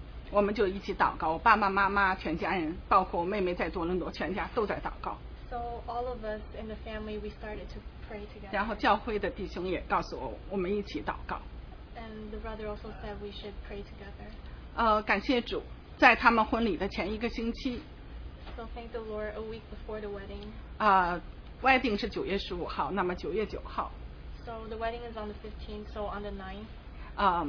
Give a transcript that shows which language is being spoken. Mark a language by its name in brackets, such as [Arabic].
[Chinese] 我们就一起祷告，爸爸妈妈全家人，包括我妹妹在多伦多，全家都在祷告。 [English] So all of us in the family, we started to pray together. [Chinese] 然后教会的弟兄也告诉我，我们一起祷告。 [English] And the brother also said we should pray together. [Chinese] 感谢主，在他们婚礼的前一个星期。 [English] So thank the Lord a week before the wedding. [Chinese] Wedding 是九月十五号，那么九月九号。 [English] So the wedding is on the 15th, so on the 9th.